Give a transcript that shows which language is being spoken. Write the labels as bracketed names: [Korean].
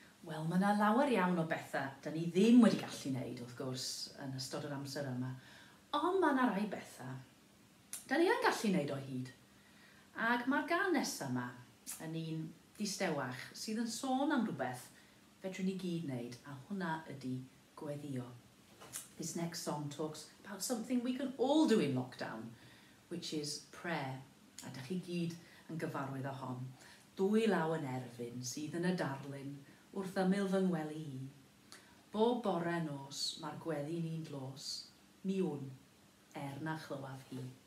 [Welsh] Wel, mae yna lawer iawn o bethau da ni ddim wedi gallu wneud, wrth gwrs, yn ystod yr amser yma. Ond mae yna rai bethau da ni yn gallu wneud o hyd. Ac mae'r gan nesaf yma yn un distewach sydd yn sôn am rhywbeth fedrwn ni gyd wneud, a hwnna ydy gweddio. [English] This next song talks about something we can all do in lockdown, which is prayer. [Welsh] A dych chi gyd yn gyfarwydd o hon. Dwy law yn erfyn sydd yn y darlun wrth ymyl fy ngwely i. Bob bore nos mae'r gweddi ni'n glos, mi wn, er na chlywaf hi.